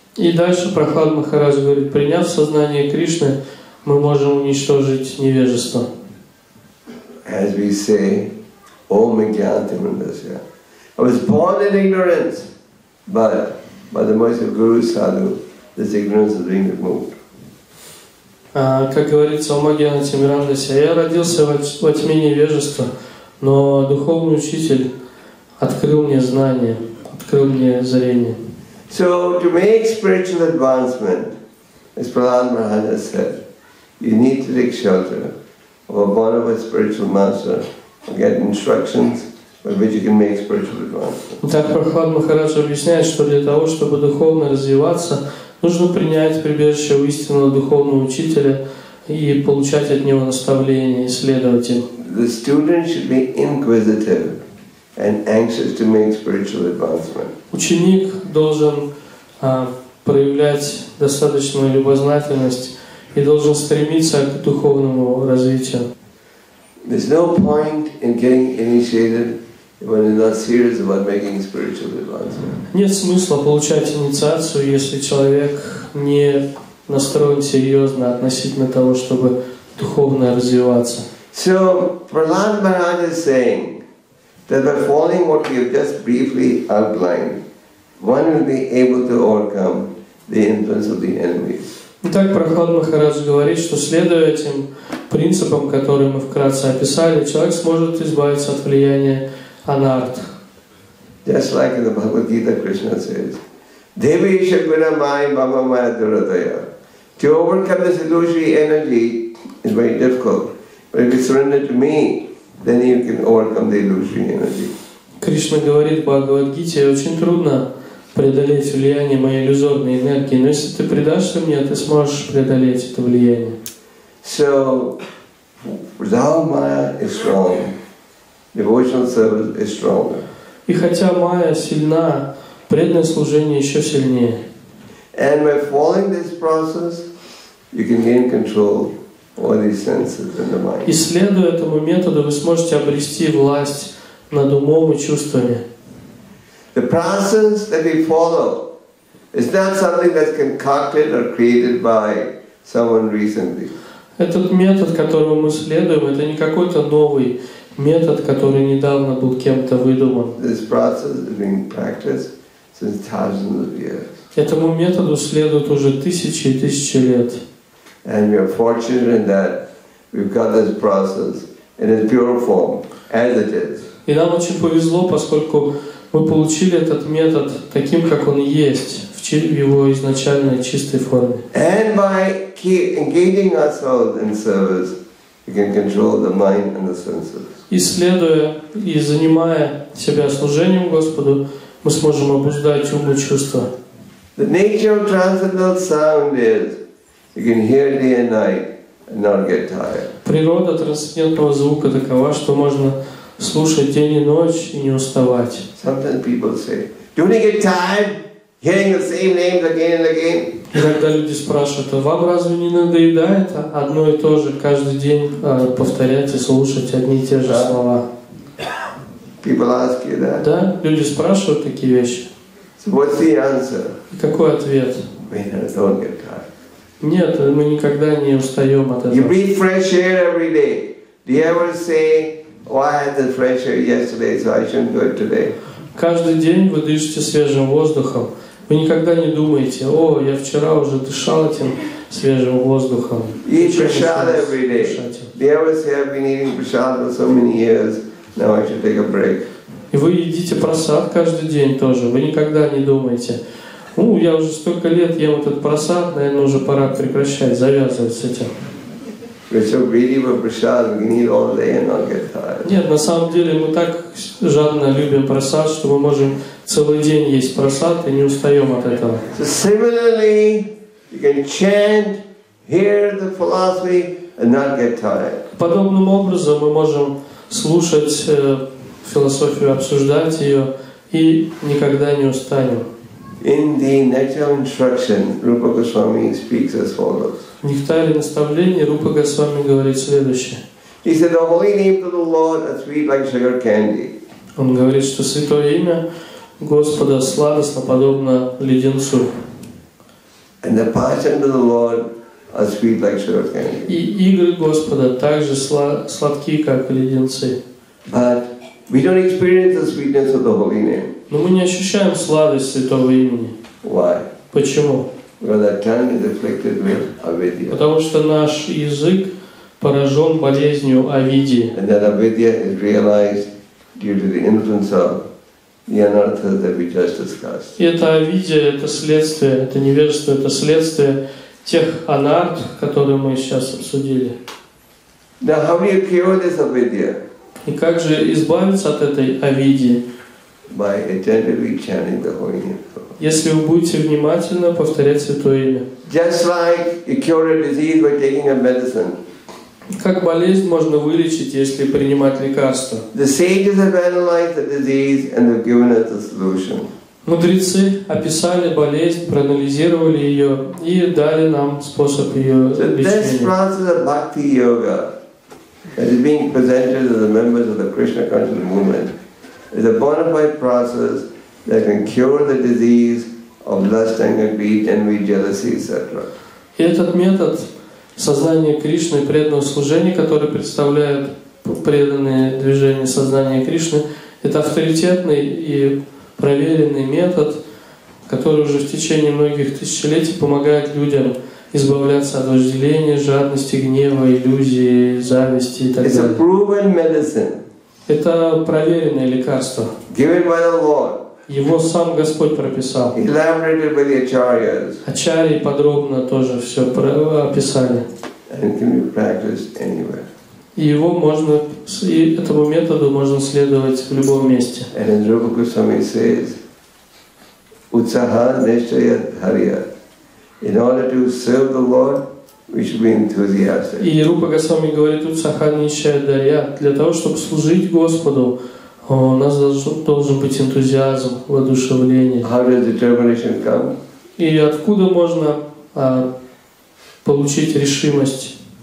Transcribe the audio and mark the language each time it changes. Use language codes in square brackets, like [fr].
[ru] И дальше Прахлад Махарадж говорит: приняв сознание Кришны, мы можем уничтожить невежество. [en] As we say, [sa] Om Ignati Mandasya. [en] I was born in ignorance, but by the mercy of Guru Sadhu, this ignorance has been removed. [ru] Как говорится в Магьяна Тимирандасе, я родился во тьме невежества, но духовный учитель открыл мне знание, открыл мне зрение. [en] So to make spiritual advancement, as Prahlad Maharaj said, you need to take shelter of a bona fide spiritual master and get instructions by which you can make spiritual advancement. [ru] Так Прахлад Махарадж объясняет, что для того, чтобы духовно развиваться, нужно принять прибежище у истинного духовного учителя и получать от него наставления и следовать им. [en] The student should be inquisitive and anxious to make spiritual advancement. [ru] Ученик должен проявлять достаточную любознательность и должен стремиться к духовному развитию. [en] There's no point in getting initiated if one is not serious about making spiritual advancement. [ru] Нет смысла получать инициацию, если человек не настроен серьезно относительно того, чтобы духовно развиваться. [en] So Prahlad Maharaj is saying that by following what we have just briefly outlined, one will be able to overcome the influence of the enemies. [ru] Итак, Прахлад Махарадж говорит, что следуя этим принципам, которые мы вкратце описали, человек сможет избавиться от влияния анартх. [en] Just like in the Bhagavad Gita, Krishna says, [sa] "Devisha guna mai bhava maya durataya." [en] To overcome this illusory energy is very difficult, but if you surrender to me, then you can overcome the illusory energy. [ru] Krishna говорит в Бхагавад Гите, очень трудно преодолеть влияние моей иллюзорной энергии, но если ты предашься мне, ты сможешь преодолеть это влияние. [en] So, without maya is strong, devotional service is stronger. [ru] И хотя майя сильна, преданное служение еще сильнее. [en] And by following this process, you can gain control over these senses and the mind. [ru] И следуя этому методу, вы сможете обрести власть над умом и чувствами. [en] The process that we follow is not something that's concocted or created by someone recently. [ru] Этот метод, которому мы следуем, это не какой-то новый метод, который недавно был кем-то выдуман. [en] This process has been practiced since thousands of years. [ru] Этому методу следует уже тысячи и тысячи лет. [en] And we are fortunate in that we've got this process in its pure form, as it is. [ru] И нам очень повезло, поскольку мы получили этот метод таким, как он есть, в его изначальной чистой форме. [en] And by engaging ourselves in service, we can control the mind and the senses. [ru] Исследуя и занимая себя служением Господу, мы сможем обуздать ум и чувства. [en] The nature of transcendental sound is you can hear day and night and not get tired. [ru] Природа трансцендентного звука такова, что можно слушать день и ночь и не уставать. [en] Sometimes people say, "Do you get tired hearing the same names again and again?" [ru] Иногда люди спрашивают, а вам разве не надоедает одно и то же каждый день повторять и слушать одни и те же слова? [en] People ask you that. [ru] Да, люди спрашивают такие вещи. [en] So what's the answer? [ru] Какой ответ? [en] We don't get tired. [ru] Нет, мы никогда не устаем от этого. [en] You breathe fresh air every day. Do you ever say, "Why had the fresh air yesterday, so I shouldn't do it today"? [ru] Каждый день вы дышите свежим воздухом. Вы никогда не думаете, о, я вчера уже дышал этим свежим воздухом. [en] Eat prashad every day. Do you ever say, "I've been eating prashad for so many years, now I should take a break"? [ru] И вы едите прасад каждый день тоже. Вы никогда не думаете, ну, я уже столько лет ем этот прасад, наверное, уже пора прекращать, завязывать с этим. [en] We're so greedy for prasad, we can eat all day and not get tired. [ru] Нет, на самом деле мы так жадно любим прасад, что мы можем целый день есть прасад и не устаем от этого. [en] So similarly, you can chant, hear the philosophy and not get tired. [ru] Подобным образом мы можем слушать философию, обсуждать ее и никогда не устанем. [en] In the Nectar Instruction, Rupa Goswami speaks as follows. [ru] В Нектаре наставления Рупа Госвами говорит следующее. [en] He said, "The holy name of the Lord is sweet like sugar candy." [ru] Он говорит, что святое имя Господа сладостно подобно леденцу. [en] And the passions of the Lord are sweet like sugar candy. [ru] И игры Господа также сладкие, как леденцы. [en] But we don't experience the sweetness of the holy name. [ru] Но мы не ощущаем сладость святого имени. [en] Why? [ru] Почему? [en] Because our tongue is afflicted with avidya. [ru] Потому что наш язык поражен болезнью авидии. [en] And that avidya is realized due to the influence of the anartha that we just discussed. [ru] И эта авидия, это следствие, это невежество, это следствие тех анарт, которые мы сейчас обсудили. [en] Now, how do you cure this avidya? [ru] И как же избавиться от этой авидии? [en] By attentively chanting the holy name. [ru] Если вы будете внимательно повторять святое имя. [en] Just like you cure a disease by taking a medicine. [ru] Как болезнь можно вылечить, если принимать лекарство? [en] The sages have analyzed the disease and have given us a solution. [ru] Мудрецы описали болезнь, проанализировали ее и дали нам способ ее лечения. [en] This process of bhakti yoga that is being presented to the members of the Krishna consciousness movement is a bona fide process that can cure the disease of lust, anger, greed, envy, jealousy, etc. [ru] И этот метод сознания Кришны, преданного служения, который представляют преданные движения сознания Кришны, это авторитетный и проверенный метод, который уже в течение многих тысячелетий помогает людям избавляться от вожделения, жадности, гнева, иллюзии, зависти и так далее. [en] It's a proven medicine. [ru] Это проверенное лекарство. [en] Given by the Lord. [ru] Его сам Господь прописал. [en] Elaborated by the Acharyas. [ru] Ачарьи подробно тоже все описали. [en] And can be practiced anywhere. [ru] И его можно, и этому методу можно следовать в любом месте. [en] And as Rupa Goswami says, [sa] "Utsaha neshaya dharya." [en] In order to serve the Lord, we should be enthusiastic. [ru] И Рупа Госвами говорит, [sa] "Утсаха неshaya dharya." [ru] Для того, чтобы служить Господу, у нас должен быть энтузиазм, воодушевление. How does determination come? И откуда можно получить решимость?